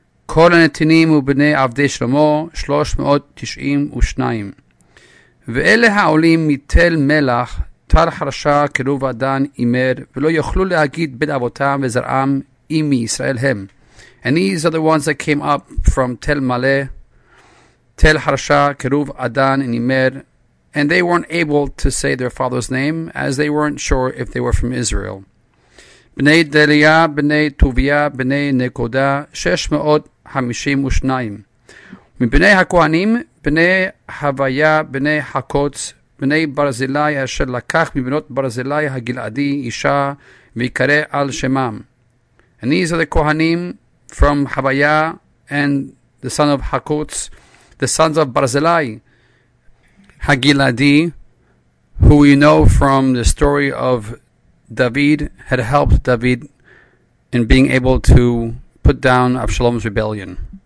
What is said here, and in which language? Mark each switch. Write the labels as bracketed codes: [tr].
[he] כל הנתינים ובני עבדי שלמה 392. ואלה העולים מתל מלח, טל חרשה, קרוב אדן, אימר, ולא יוכלו להגיד בין אבותם וזרעם אם מישראל הם. [en] And these are the ones that came up from Tel Male, Tel Harsha, Keruv Adan, and Imer, and they weren't able to say their father's name, as they weren't sure if they were from Israel. [he] בני דליה, בני טוביה, בני נקודה, 652. מבני הכהנים, בני הוויה, בני חקוץ, בני ברזילי, אשר לקח מבנות ברזילי הגלעדי, אישה, ויקרא על שמם. [en] And these are the כהנים from הוויה and the son of חקוץ, the sons of ברזילי הגלעדי, who we know from the story of David, had helped David in being able to put down Absalom's rebellion.